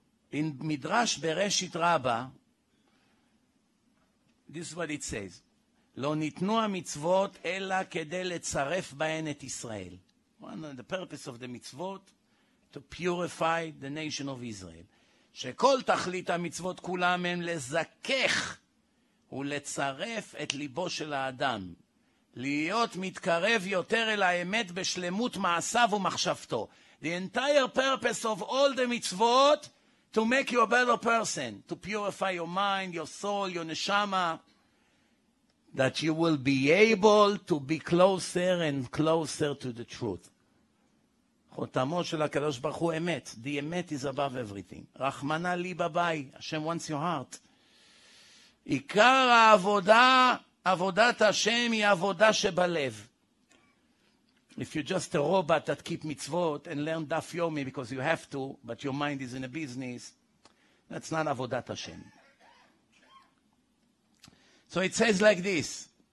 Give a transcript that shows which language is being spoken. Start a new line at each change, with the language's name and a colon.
English: In Midrash Bereshit Rabbah, this is what it says.
Hebrew: Lo nitnu ha-mitzvot ela kedei letzaref bahen et Israel.
English: One of the purpose of the mitzvot, to purify the nation of Israel.
Hebrew: שכל תכלית המצוות כולם הם לזכך ולצרף את ליבו של האדם, להיות מתקרב יותר אל האמת בשלמות מעשיו ומחשבתו.
English: The entire purpose of all the mitzvot, to make you a better person, to purify your mind, your soul, your neshama, that you will be able to be closer and closer to the truth.
Hebrew: חותמו של הקדוש ברוך הוא אמת.
English: The אמת is above everything.
Aramaic: רחמנה לי בביי.
English: השם wants your heart.
Hebrew: עיקר העבודה, עבודת השם היא עבודה שבלב.
English: If you're just a robot that keep mitzvot and learn daf yomi because you have to, but your mind is in a business, that's not עבודת השם. So it says like this.